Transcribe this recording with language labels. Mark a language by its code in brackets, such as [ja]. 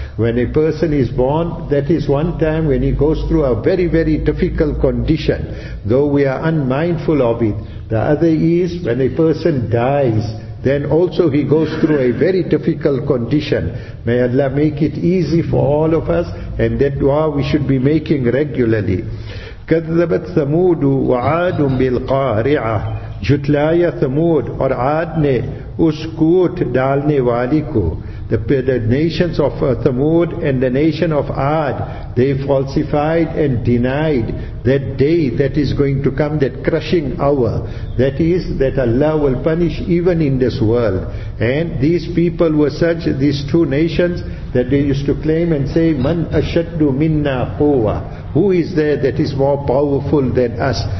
[en] When a person is born, that is one time when he goes through a very, very difficult condition, though we are unmindful of it. The other is when a person dies, then also he goes through a very difficult condition. May Allah make it easy for all of us, and that dua we should be making regularly. [ar] كذبت ثمود وعاد بالقارعة [ur] جتلايا ثمود اور عاد نے اس کوٹ ڈالنے والی کو. [en] The nations of Thamud and the nation of Ad, they falsified and denied that day that is going to come, that crushing hour. That is, that Allah will punish even in this world. And these people were such, these two nations, that they used to claim and say, [ar] Man ashaddu minna quwa, [en] who is there that is more powerful than us?